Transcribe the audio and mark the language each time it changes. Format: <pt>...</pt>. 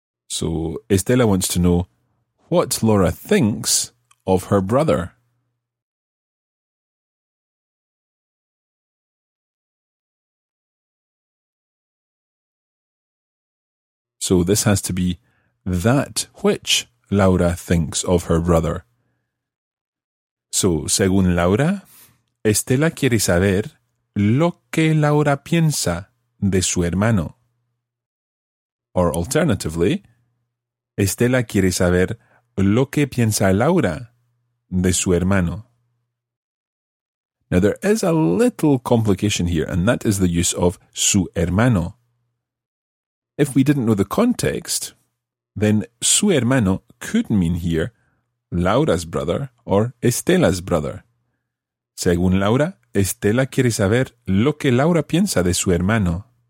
<en>So, Estela wants to know what Laura thinks of her brother. So this has to be that which Laura thinks of her brother.</en> <es>So, según Laura, Estela quiere saber lo que Laura piensa de su hermano.</es> <en>Or alternatively,</en> <es>Estela quiere saber lo que piensa Laura de su hermano.</es> <en>Now there is a little complication here, and that is the use of</en> <es>su hermano.</es> <en>If we didn't know the context, then</en> <es>su hermano</es> <en>could mean here Laura's brother or Estela's brother.</en> <es>Según Laura, Estela quiere saber lo que Laura piensa de su hermano.</es>